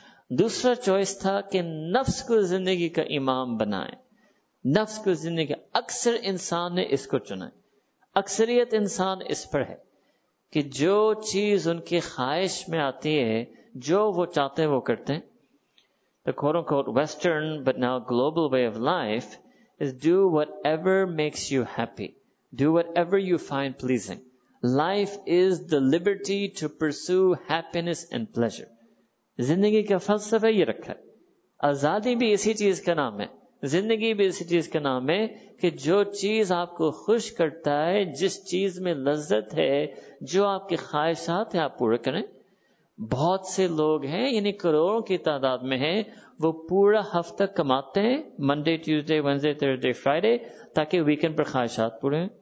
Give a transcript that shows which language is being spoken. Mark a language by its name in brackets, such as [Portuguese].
[Urdu] دوسرا چوائس تھا کہ نفس کو زندگی کا امام بنائیں. نفس کو زندگی, اکثر انسان نے اس کو چنا ہے, اکثریت انسان اس پر ہے کہ جو چیز ان کی خواہش میں آتی ہے, جو وہ چاہتے ہیں وہ کرتے ہیں. [English] The quote-unquote Western but now global way of life is do whatever makes you happy. Do whatever you find pleasing. Life is the liberty to pursue happiness and pleasure. [Urdu] زندگی کا فلسفہ یہ رکھا ہے. آزادی بھی اسی چیز کا نام ہے, زندگی بھی اسی چیز کا نام ہے کہ جو چیز آپ کو خوش کرتا ہے, جس چیز میں لذت ہے, جو آپ کی خواہشات ہیں آپ پورے کریں. بہت سے لوگ ہیں, یعنی کروڑوں کی تعداد میں ہیں, وہ پورا ہفتہ کماتے ہیں Monday Tuesday Wednesday Thursday Friday تاکہ ویکینڈ پر خواہشات پورے ہیں.